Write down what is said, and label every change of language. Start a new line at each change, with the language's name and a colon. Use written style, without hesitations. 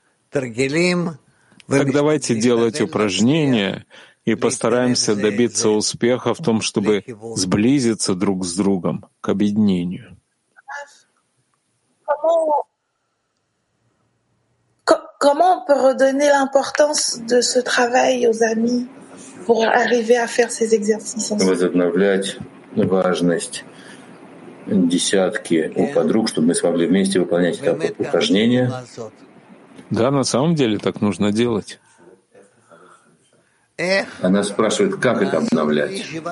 Russian: Так давайте делать упражнения и постараемся добиться успеха в том, чтобы сблизиться друг с другом к объединению.
French: Comment on peut redonner l'importance de ce travail aux amis pour arriver à faire ces exercices ensemble?
Russian: Возобновлять важность десятки у подруг, чтобы мы смогли вместе выполнять это упражнение. Да, на самом деле так нужно делать. Она спрашивает, как это обновлять?